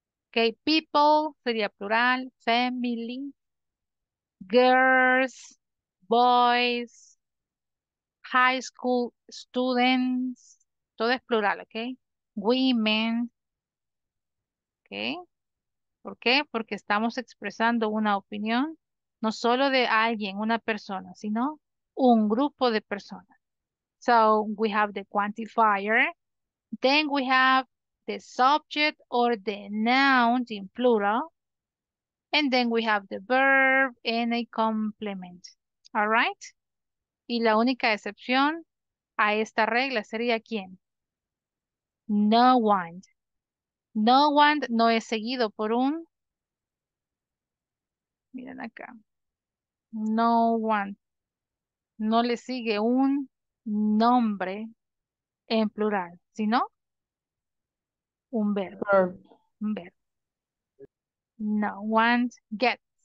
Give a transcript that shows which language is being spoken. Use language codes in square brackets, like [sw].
[en] Okay, people [es] sería plural, [en] family, girls, boys, high school students, [es] todo es plural, [en] okay? Women, okay? [es] ¿Por qué? Porque estamos expresando una opinión, no solo de alguien, una persona, sino un grupo de personas. [en] So, we have the quantifier. Then we have the subject or the noun in plural. And then we have the verb and a complement. All right? [es] Y la única excepción a esta regla sería ¿quién? No one. No one no es seguido por un, miren acá, no one, no le sigue un nombre en plural, sino un verbo, un verbo. [en] No one gets,